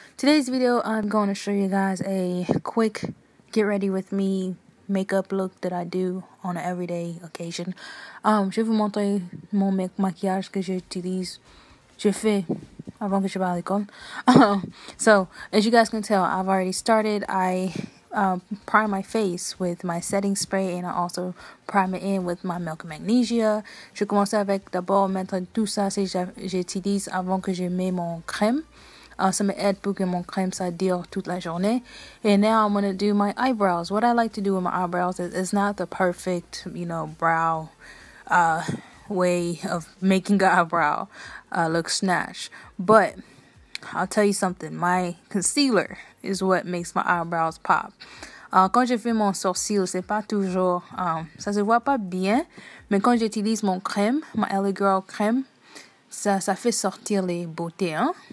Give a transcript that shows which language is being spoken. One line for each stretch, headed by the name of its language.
English: Today's video, I'm going to show you guys a quick get ready with me makeup look that I do on an everyday occasion.
French: Je vais vous montrer mon maquillage que j'utilise. Je fais avant que je vais à l'école.
English: So, as you guys can tell, I've already started. I prime my face with my setting spray and I also prime it in with my milk and magnesia.
French: Je commence avec d'abord mettre tout ça si j'utilise avant que je mets mon crème. Ça m'aide pour que mon crème ça dure toute la journée.
English: And now I'm going to do my eyebrows. What I like to do with my eyebrows is it's not the perfect, you know, brow way of making an eyebrow look snatched. But I'll tell you something, my concealer is what makes my eyebrows pop.
French: Quand je fais mon sourcil, c'est pas toujours, ça se voit pas bien, mais quand j'utilise mon crème,
English: my LA Girl
French: crème, ça fait sortir les beautés, hein?